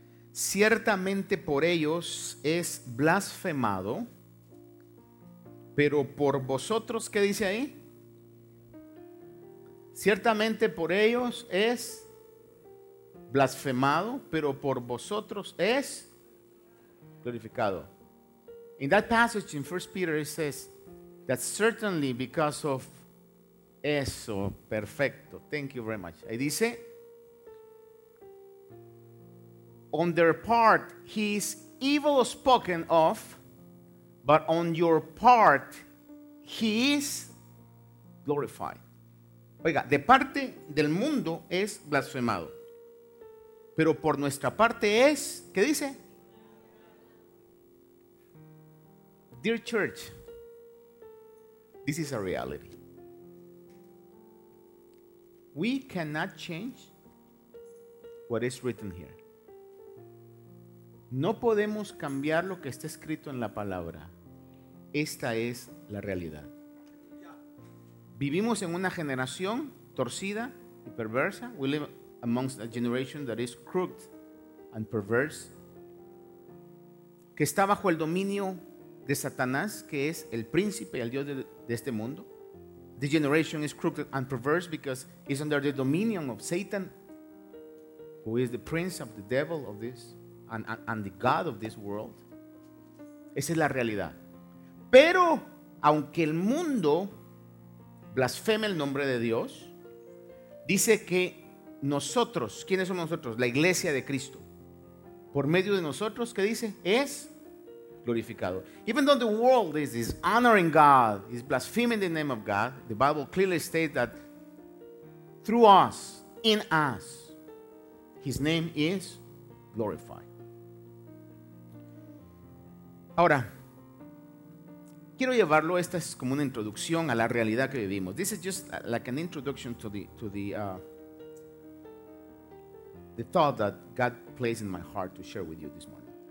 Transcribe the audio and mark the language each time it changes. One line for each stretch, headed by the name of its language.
Spanish: Ciertamente por ellos es blasfemado, pero por vosotros, ¿qué dice ahí? Ciertamente por ellos es blasfemado, pero por vosotros es glorificado.
English: In that passage in 1 Peter it says that certainly because of
Spanish: eso, perfecto.
English: Thank you very much.
Spanish: Ahí dice,
English: on their part he is evil spoken of, but on your part he is glorified.
Spanish: Oiga, de parte del mundo es blasfemado, pero por nuestra parte es, ¿qué dice?
English: Dear church, this is a reality. We cannot change what is written here.
Spanish: No podemos cambiar lo que está escrito en la palabra. Esta es la realidad. Vivimos en una generación torcida y perversa.
English: We live amongst a generation that is crooked and perverse,
Spanish: que está bajo el dominio de Satanás, que es el príncipe y el dios de este mundo.
English: The generation is crooked and perverse because it's under the dominion of Satan, who is the prince of the devil of this and the god of this world.
Spanish: Esa es la realidad. Pero aunque el mundo blasfeme el nombre de Dios, dice que nosotros, ¿quiénes somos nosotros? La iglesia de Cristo. Por medio de nosotros, ¿qué dice? Es glorificado.
English: Even though the world is honoring God, is blaspheming the name of God, the Bible clearly states that through us, in us, his name is glorified.
Spanish: Ahora, quiero llevarlo, esta es como una introducción a la realidad que vivimos.
English: This is just like an introduction to the thought that God placed in my heart to share with you this morning.